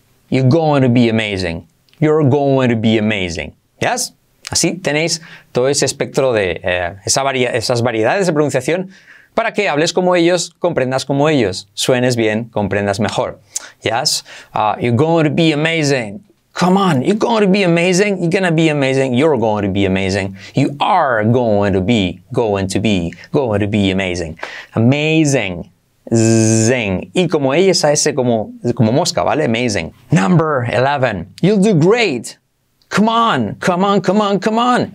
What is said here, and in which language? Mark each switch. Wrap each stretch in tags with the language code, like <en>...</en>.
<en>You're going to be amazing. You're going to be amazing. ¿Yes?</en> <es>Así tenéis todo ese espectro de esas variedades de pronunciación para que hables como ellos, comprendas como ellos, suenes bien, comprendas mejor.</es> <en>¿Yes? You're going to be amazing. Come on, you're going to be amazing. You're gonna be amazing. You're going to be amazing. You are going to be, going to be, going to be amazing. Amazing. Zing.</en> <es>Y como ella, esa S como mosca, ¿vale?</es> <en>Amazing. Number 11. You'll do great. Come on, come on, come on, come on.</en>